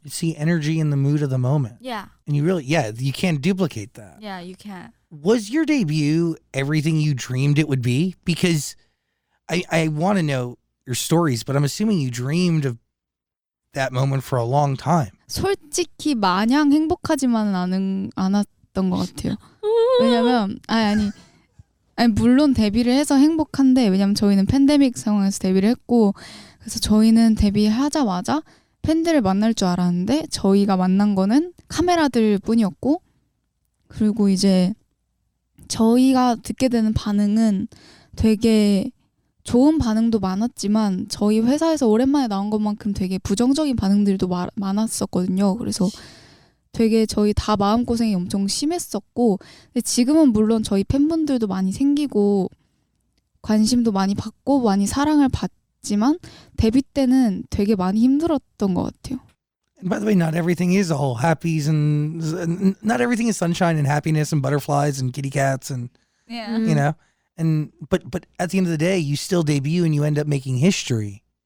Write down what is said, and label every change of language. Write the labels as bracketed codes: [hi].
[en] You see energy in the mood of the moment. Yeah. And you really, you can't duplicate that. Yeah, you can't. Was your debut everything you dreamed it would be? Because I want to know your stories, but I'm assuming you dreamed of that moment for a long time. [ko] 솔직히 마냥 행복하지만은 않았던 것 같아요. 왜냐면 아니 물론 데뷔를 해서 행복한데 왜냐면 저희는 팬데믹 상황에서 데뷔를 했고 그래서 저희는 데뷔하자마자 팬들을 만날 줄 알았는데 저희가 만난 거는 카메라들 뿐이었고 그리고 이제 저희가 듣게 되는 반응은 되게 좋은 반응도 많았지만 저희 회사에서 오랜만에 나온 것만큼 되게 부정적인 반응들도 많았었거든요. 그래서 되게 저희 다 마음고생이 엄청 심했었고 근데 지금은 물론 저희 팬분들도 많이 생기고 관심도 많이 받고 많이 사랑을 받지만 데뷔 때는 되게 많이 힘들었던 것 같아요. [en] By the way, not everything is all happies and not everything is sunshine and happiness and butterflies and kitty cats and, yeah. You know, and but at the end of the day, you still debut and you end up making history.